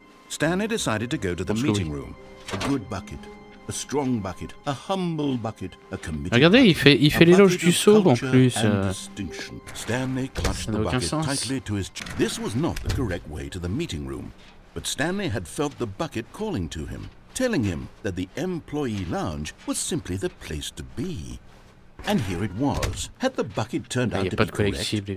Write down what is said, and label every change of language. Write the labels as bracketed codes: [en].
[en] Stanley decided to go to the meeting room. A good bucket, a strong bucket, a humble bucket, a committed. [fr] Regardez, il fait l'éloge du sceau en plus. [en] Stanley clutched the bucket tightly to his chest. This was not the correct way to the meeting room, but Stanley had felt the bucket calling to him, telling him that the employee lounge was simply the place to be. And here it was. Had the bucket turned out to be correct?